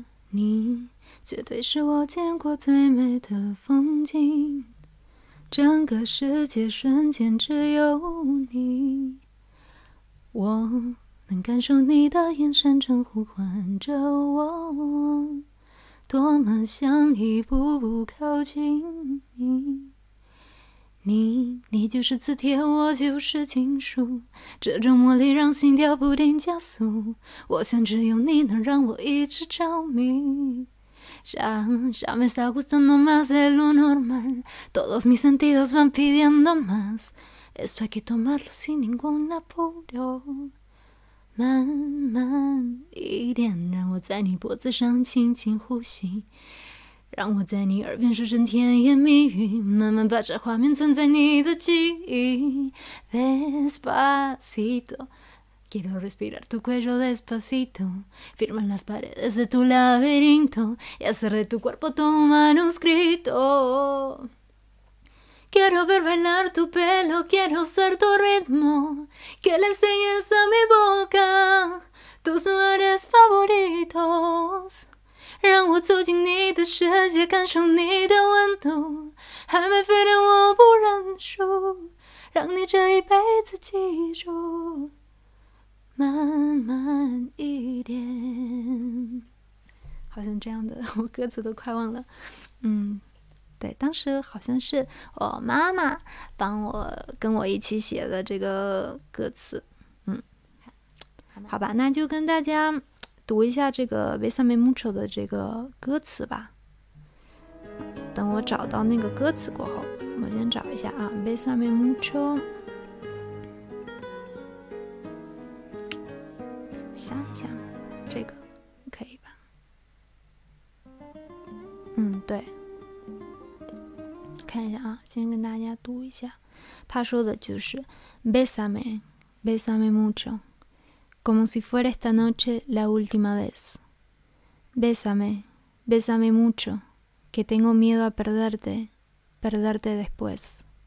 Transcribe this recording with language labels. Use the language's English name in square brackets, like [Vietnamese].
[Chinese] 你绝对是我见过最美的风景，整个世界瞬间只有你，我能感受你的眼神正呼唤着我，多么想一步步靠近你。你就是磁铁，我就是金属，这种魔力让心跳不停加速，我想只有你能让我一直着迷。 [Spanish] Ya me está gustando más de lo normal, todos mis sentidos van pidiendo más, esto hay que tomarlo sin ningún apuro。 [Chinese] 慢慢一点，让我在你脖子上轻轻呼吸，让我在你耳边说声甜言蜜语，慢慢把这画面存在你的记忆。 [Spanish] Despacito, quiero respirar tu cuello despacito, firmar las paredes de tu laberinto y hacer de tu cuerpo tu manuscrito。 Quiero ver bailar tu pelo, quiero ser tu ritmo, que le enseñes a mi boca tus lugares favoritos。 [Chinese] 让我走进你的世界，感受你的温度，还没飞的我不认输，让你这一辈子记住。慢慢一点，好像这样的，我歌词都快忘了。对，当时好像是我妈妈帮我跟我一起写的这个歌词。好吧，那就跟大家读一下这个 Bésame mucho 的这个歌词吧。等我找到那个歌词过后，我先找一下啊。Bésame mucho， 想一想，这个可以吧。对，看一下啊，先跟大家读一下，他说的就是 [Spanish] Bésame, bésame mucho, como si fuera esta noche la última vez. Bésame, bésame mucho, que tengo miedo a perderte, perderte después.